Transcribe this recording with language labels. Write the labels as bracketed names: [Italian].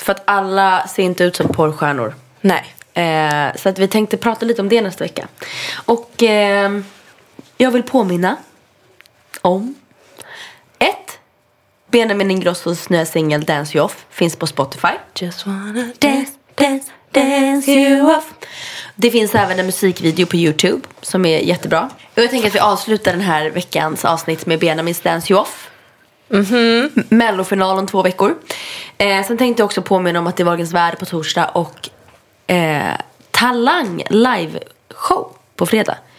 [Swedish] För att alla ser inte ut som porrstjärnor. Nej. Så att vi tänkte prata lite om det nästa vecka. Och jag vill påminna om 1. Benjamin Ingrossos nya singel Dance You Off finns på Spotify. [English] Just wanna dance you off. [Swedish] Det finns även en musikvideo på YouTube som är jättebra. Och jag tänker att vi avslutar den här veckans avsnitt med Benjamins Dance You Off. Mm-hmm. Mellofinal om 2 veckor. Sen tänkte jag också påminna om att det är Vagens Värld på torsdag och Talang live show på fredag.